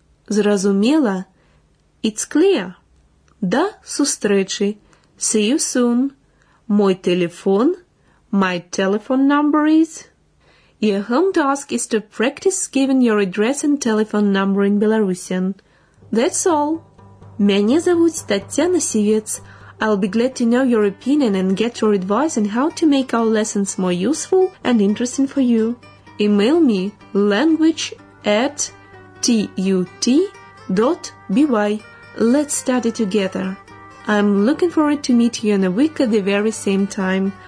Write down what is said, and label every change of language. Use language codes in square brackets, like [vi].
[be] Зразумела, [en] it's clear. [be] До сустречи, [en] see you soon. [be] Мой телефон, [en] my telephone number is. Your home task is to practice giving your address and telephone number in Belarusian. That's all. [be] Меня зовут Татьяна Сивец. [en] I'll be glad to know your opinion and get your advice on how to make our lessons more useful and interesting for you. Email me language@tut.by. Let's study together. I'm looking forward to meet you in a week at the very same time.